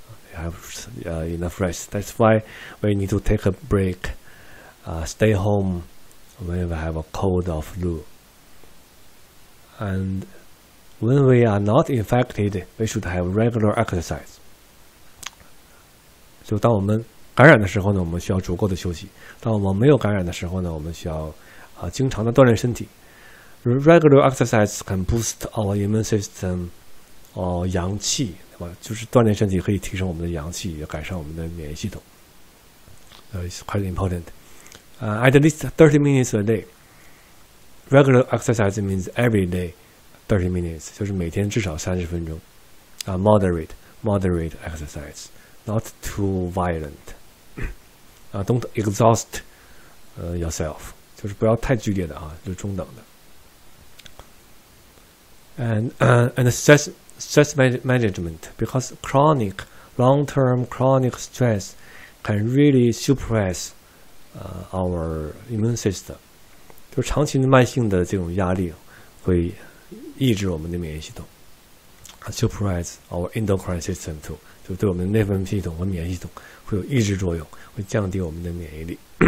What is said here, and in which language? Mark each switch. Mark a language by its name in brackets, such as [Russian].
[English] They have enough rest. That's why we need to take a break, stay home when we have a cold or flu. And when we are not infected, we should have regular exercise. [Chinese] 就当我们感染的时候呢，我们需要足够的休息；当我们没有感染的时候呢，我们需要经常的锻炼身体。 [English] Regular exercise can boost our immune system, [Chinese] 阳气，对吧？就是锻炼身体可以提升我们的阳气，也改善我们的免疫系统。 [English] It's quite important. At least 30 minutes a day. Regular exercise means every day 30 minutes, [Chinese] 就是每天至少30分钟。 [English] Moderate exercise. Not too violent. Don't exhaust yourself. [Chinese] 就是不要太剧烈的啊，就是中等的。 [English] And stress management, because chronic, long-term chronic stress can really suppress our immune system. [Chinese] 就是长期的慢性的这种压力会抑制我们的免疫系统。 [English] Suppress our endocrine system too. [Chinese] 就对我们的内分泌系统和免疫系统会有抑制作用，会降低我们的免疫力。